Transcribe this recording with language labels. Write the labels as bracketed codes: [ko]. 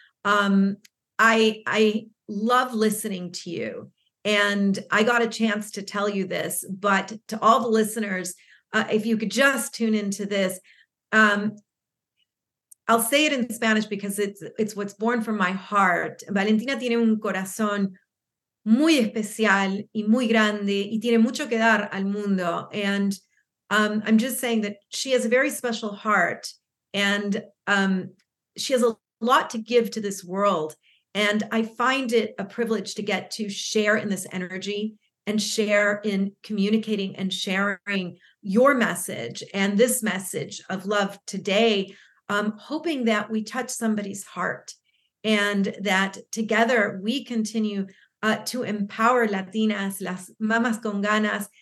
[en] I love listening to you. And I got a chance to tell you this, but to all the listeners, if you could just tune into this, I'll say it in Spanish because it's what's born from my heart. [es] Valentina tiene un corazón muy especial y muy grande y tiene mucho que dar al mundo. [en] And I'm just saying that she has a very special heart and she has a lot to give to this world. And I find it a privilege to get to share in this energy and share in communicating and sharing your message and this message of love today, hoping that we touch somebody's heart and that together we continue to empower Latinas, [es] las mamas con ganas.